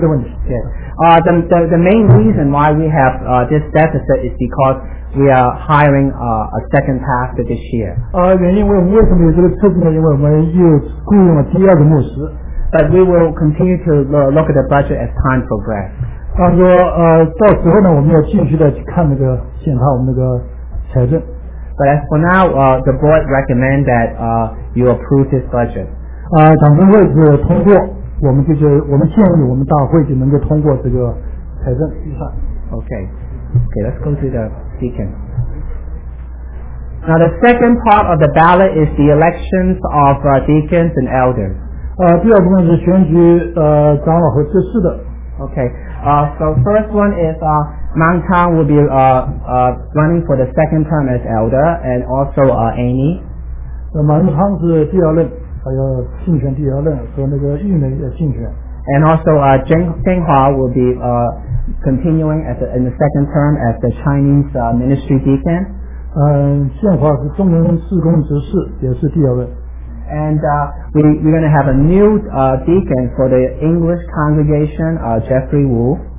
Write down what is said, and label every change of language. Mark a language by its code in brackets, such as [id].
[en] The main reason why we have this deficit is because we are hiring a second pastor this year. But we will continue to look at the budget as time progresses. [zh] 到时候呢，我们要继续的看那个检查我们那个财政。 [en] But as for now, the board recommend that you approve this budget. [zh] 党政会是通过，我们建议我们大会就能够通过这个财政预算。 [en] Okay, let's go to the deacon. Now the second part of the ballot is the elections of deacons and elders. [zh] 第二部分是选举, okay. [en] So first one is Mang Tang will be running for the second term as elder, and also Amy. [zh] 蛮昌是第二任，还要竞选第二任，和那个玉梅也竞选。 [en] And also Cheng Hua will be continuing as in the second term as the Chinese ministry deacon. [zh] 宪华是中文事工执事，也是第二位。 [en] And we're going to have a new deacon for the English congregation, Jeffrey Wu.